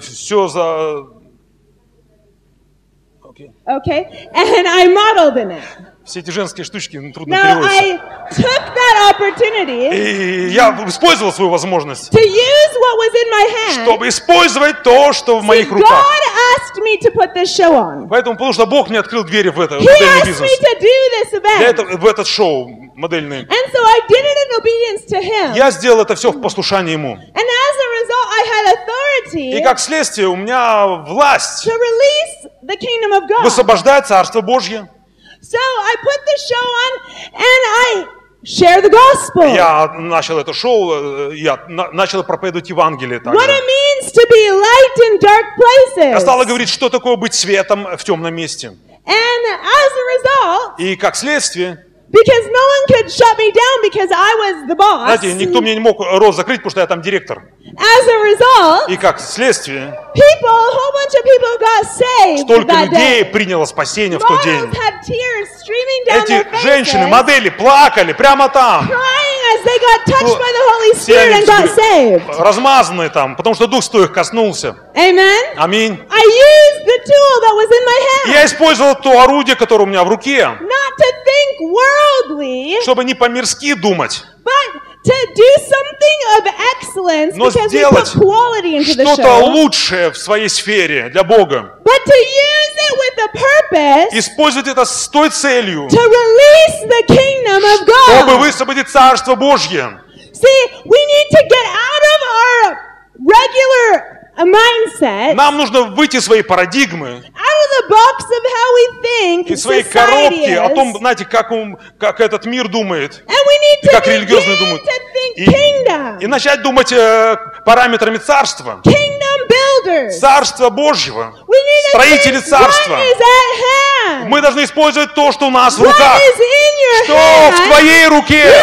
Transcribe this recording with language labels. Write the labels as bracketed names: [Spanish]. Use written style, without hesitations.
[Russian] Все за. [English] Okay. Okay. And I modeled in it. [Russian] Все эти женские штучки трудно [English] Now, [Russian] переводятся. [English] I took that opportunity [Russian] и я использовал свою возможность, [English] to use what was in my hand. [Russian] Чтобы использовать то, что [English] See, [Russian] в моих руках. [English] God asked me to put this show on. [Russian] Поэтому, потому что Бог мне открыл двери в это, [English] He [Russian] модельный [English] asked [Russian] бизнес. [English] Me to do this event. [Russian] В этот шоу модельный. [English] And so I did it in obedience to him. [Russian] Я сделал это все в послушании Ему. [English] And as a result, I had authority [Russian] и как следствие, у меня власть [English] to release the kingdom of God. [Russian] Высвобождать Царство Божье. [English] So I put the show on and I share the gospel. [Russian] Я начал это шоу, я начал проповедовать Евангелие также. [English] What it means to be light in dark places. [Russian] Я стала говорить, что такое быть светом в темном месте. [English] And as a result, [Russian] и как следствие, [English] because no one could shut me down because I was the boss. [Russian] Знаете, никто мне не мог рот закрыть, потому что я там директор. [English] As a result, [Russian] и как следствие, [English] people, a whole bunch of people got saved that day. [Russian] Столько людей приняло спасение в тот день. [English] Models had tears streaming down their faces. [Russian] Эти женщины, модели, плакали прямо там. [English] Crying as they got touched by the Holy Spirit and got saved. [Russian] Размазанные там, потому что Дух Святой их коснулся. [English] Amen. [Russian] Аминь. [English] I used the tool that was in my hand. [Russian] Я использовал то орудие, которое у меня в руке. [English] Not to think worldly. [Russian] Чтобы не по-мирски думать. [English] But to do something of excellence, [Russian] но сделать [English] we put quality into [Russian] что-то [English] the show, [Russian] лучшее в своей сфере для Бога. [English] But to use it with a purpose, [Russian] использовать это с той целью, [English] to release the kingdom of God. [Russian] Чтобы высвободить Царство Божье. [English] See, we need to get out of our regular mindset, [Russian] нам нужно выйти из своей парадигмы, [English] out of the box of how we think, [Russian] из своей коробки, о том, знаете, как этот мир думает, как религиозные думают, и начать думать параметрами царства, царства Божьего, строители царства. Мы должны использовать то, что у нас в руках, что в твоей руке.